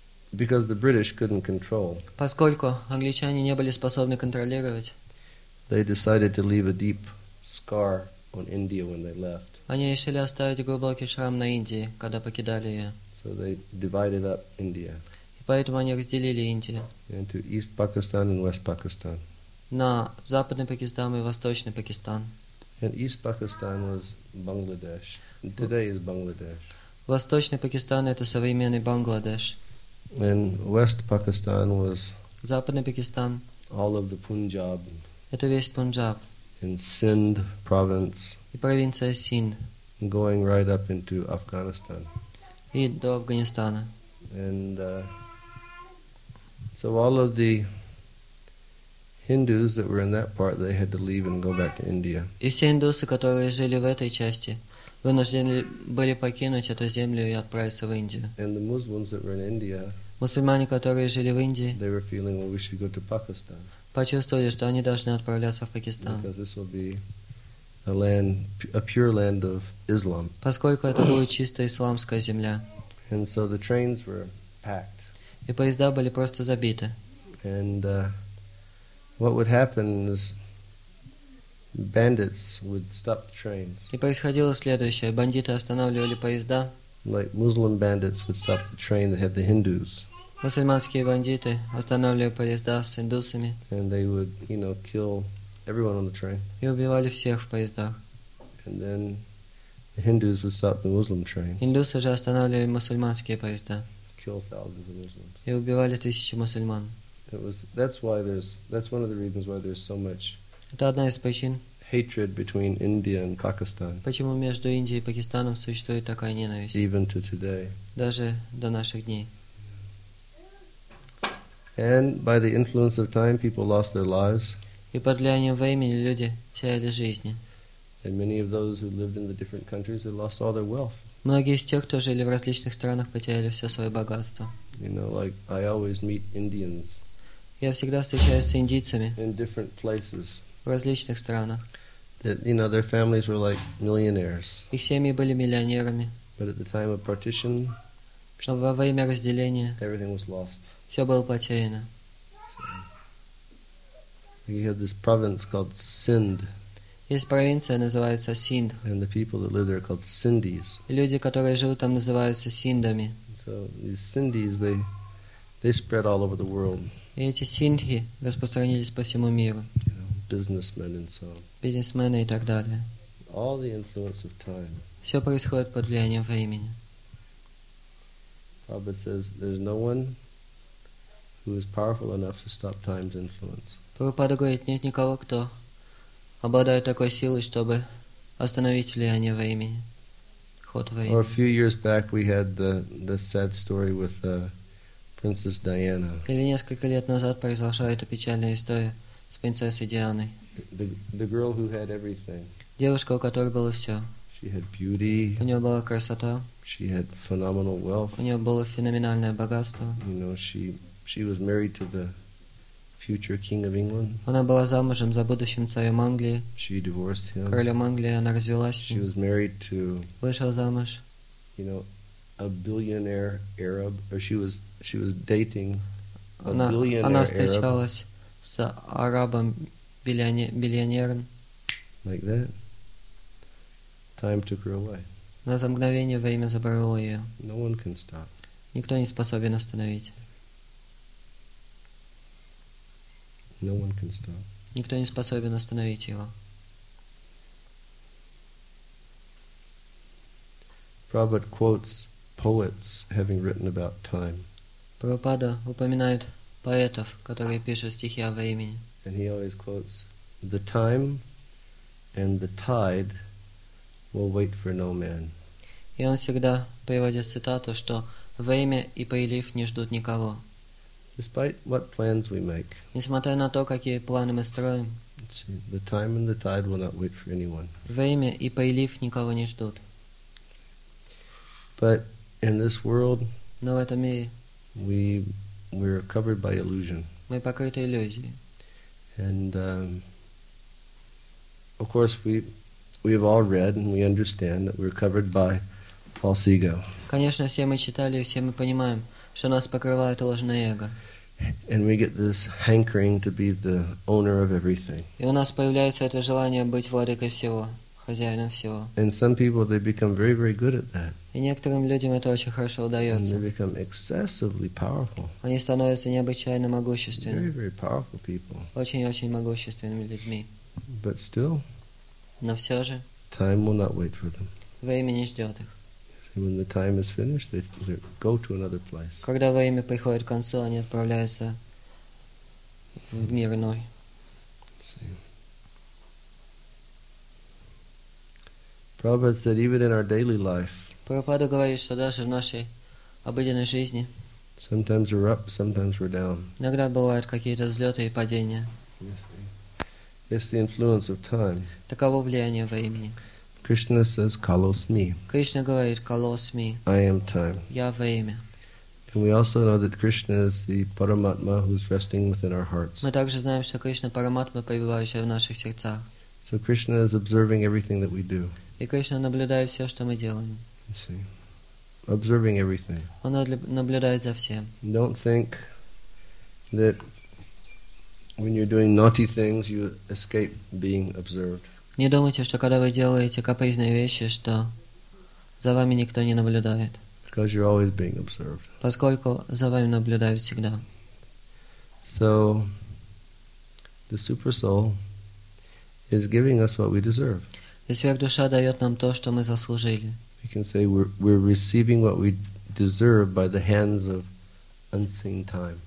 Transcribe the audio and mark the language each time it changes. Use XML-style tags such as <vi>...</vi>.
<en>Because the British couldn't control.</en> <ru>Поскольку англичане не были способны контролировать.</ru> <en>They decided to leave a deep scar on India when they left.</en> <ru>Они решили оставить глубокий шрам на Индии, когда покидали ее.</ru> <en>So they divided up India.</en> <ru>И поэтому они разделили Индию.</ru> <en>Into East Pakistan and West Pakistan.</en> <ru>На Западный Пакистан и Восточный Пакистан.</ru> <en>And East Pakistan was Bangladesh. Today is Bangladesh.</en> <ru>Восточный Пакистан это современный Бангладеш.</ru> <en>And West Pakistan was</en> <ru>Западный Пакистан.</ru> <en>All of the Punjab.</en> <ru>Это весь Пунджаб.</ru> <en>And Sindh province.</en> <ru>И провинция Синд.</ru> <en>Going right up into Afghanistan.</en> <ru>И до Афганистана.</ru> <en>And so all of the Hindus that were in that part, they had to leave and go back to India.</en> <ru>И все индусы, которые жили в этой части, вынуждены были покинуть эту землю и отправиться в Индию.</ru> <en>And the Muslims that were in India,</en> <ru>мусульмане, которые жили в Индии,</ru> <en>they were feeling, well, we should go to Pakistan.</en> <ru>Почувствовали, что они должны отправляться в Пакистан.</ru> <en>Because this will be a land, a pure land of Islam.</en> <ru>Поскольку это будет чистая исламская земля.</ru> <en>And so the trains were packed.</en> <ru>И поезда были просто забиты.</ru> <en>And what would happen is bandits would stop the trains.</en> <ru>И происходило следующее: бандиты останавливали поезда.</ru> <en>Like Muslim bandits would stop the train that had the Hindus.</en> <ru>Мусульманские бандиты останавливали поезда с индусами.</ru> <en>And they would, you know, kill everyone on the train.</en> <ru>И убивали всех в поездах.</ru> <en>And then the Hindus would stop the Muslim trains.</en> <ru>Индусы же останавливали мусульманские поезда.</ru> <en>Kill thousands of Muslims.</en> <ru>И убивали тысячи мусульман.</ru> <en>That's one of the reasons why there's so much.</en> <ru>Это одна из причин.</ru> <en>Hatred between India and Pakistan.</en> <ru>Почему между Индией и Пакистаном существует такая ненависть?</ru> <en>Even to today.</en> <ru>Даже до наших дней.</ru> <en>And by the influence of time, people lost their lives.</en> <ru>И под влиянием времени люди теряли жизни.</ru> <en>And many of those who lived in the different countries, they lost all their wealth.</en> <ru>Многие из тех, кто жили в различных странах, потеряли все свое богатство.</ru> <en>You know, like I always meet Indians.</en> <ru>Я всегда встречаюсь с индийцами.</ru> <en>In different places.</en> <ru>В различных странах.</ru> <en>That, you know, their families were like millionaires.</en> <ru>Их семьи были миллионерами.</ru> <en>But at the time of partition,</en> <ru>но во время разделения,</ru> <en>everything was lost.</en> <ru>Все было потеряно.</ru> <en>So, you have this province called Sindh.</en> <ru>Есть провинция, называется Синдх.</ru> <en>And the people that live there are called Sindhis.</en> <ru>И люди, которые живут там, называются Синдами.</ru> <en>So these Sindhis, they spread all over the world.</en> <ru>И эти Синдхи распространились по всему миру.</ru> <en>Businessmen and so on.</en> <ru>Бизнесмены и так далее.</ru> <en>All the influence of time.</en> <ru>Все происходит под влиянием времени.</ru> <en>Prabhupada says there's no one who is powerful enough to stop time's influence.</en> <ru>Прабхупада говорит, нет никого, кто обладает такой силой, чтобы остановить влияние времени, ход времени.</ru> <en>Or a few years back we had the sad story with Princess Diana.</en> <ru>Или несколько лет назад произошла эта печальная история. С принцессой Дианой.</ru> <en>The girl who had everything.</en> <ru>Девушка, у которой было все.</ru> <en>She had beauty.</en> <ru>У нее была красота.</ru> <en>She had phenomenal wealth.</en> <ru>У нее было феноменальное богатство.</ru> <en>You know, she was married to the future king of England.</en> <ru>Она была замужем за будущим царем Англии.</ru> <en>She divorced him.</en> <ru>Королем Англии она развелась.</ru> <en>She was married to.</en> <ru>Вышел замуж.</ru> <en>You know, a billionaire Arab, or she was dating a billionaire Arab.</en> <ru>Она встречалась с арабом миллионером.</ru> <en>Like that. Time took her away.</en> <ru>На за мгновение время забрало ее.</ru> <en>No one can stop.</en> <ru>Никто не способен остановить.</ru> <en>No one can stop.</en> <ru>Никто не способен остановить его.</ru> <en>Prabhupada quotes poets having written about time.</en> <ru>Прабхупада упоминает поэтов, которые пишут стихи о времени.</ru> <en>And he always quotes, "The time and the tide will wait for no man."</en> <ru>И он всегда приводит цитату, что время и прилив не ждут никого.</ru> <en>Despite what plans we make,</en> <ru>несмотря на то, какие планы мы строим,</ru> <en>the time and the tide will not wait for anyone.</en> <ru>Время и прилив никого не ждут.</ru> <en>But in this world,</en> <ru>но в этом мире,</ru> <en>we we are covered by illusion.</en> <ru>Мы покрыты иллюзией.</ru> <en>And of course we have all read and we understand that we're covered by false ego.</en> <ru>Конечно, все мы читали, все мы понимаем, что нас покрывает ложное эго.</ru> <en>And we get this hankering to be the owner of everything.</en> <ru>И у нас появляется это желание быть владыкой всего, хозяином всего.</ru> <en>And some people they become very very good at that.</en> <ru>И некоторым людям это очень хорошо удается.</ru> <en>And they become excessively powerful.</en> <ru>Они становятся необычайно могущественными.</ru> <en>Very very powerful people.</en> <ru>Очень-очень могущественными людьми.</ru> <en>But still.</en> <ru>Но все же.</ru> <en>Time will not wait for them.</en> <ru>Время не ждет их.</ru> <en>When the time is finished, they go to another place.</en> <ru>Когда время приходит к концу, они отправляются в мир иной.</ru> <en>Prabhupada said, even in our daily life.</en> <ru>Прабхупада говорит, что даже в нашей обыденной жизни.</ru> <en>Sometimes we're up, sometimes we're down.</en> <ru>Иногда бывают какие-то взлеты и падения.</ru> <en>It's the influence of time.</en> <ru>Таково влияние времени.</ru> <en>Krishna says, "Kalosmi."</en> <ru>Krishna говорит, "Kalosmi."</ru> <en>I am time.</en> <ru>Я время.</ru> <en>And we also know that Krishna is the Paramatma who's resting within our hearts.</en> <ru>Мы также знаем, что Кришна Параматма, пребывающая в наших сердцах.</ru> <en>So Krishna is observing everything that we do.</en> <ru>И Кришна наблюдает все, что мы делаем.</ru> <en>You see, observing everything.</en> <ru>Он наблюдает за всем.</ru> <en>Don't think that when you're doing naughty things, you escape being observed.</en> <ru>Не думайте, что когда вы делаете капризные вещи, что за вами никто не наблюдает.</ru> <en>Because you're always being observed.</en> <ru>Поскольку за вами наблюдают всегда.</ru> <en>So, the super soul is giving us what we deserve.</en> <ru>И сверхдуша дает нам то, что мы заслужили.</ru> <en>We can say we're receiving what we deserve by the hands of unseen time.</en>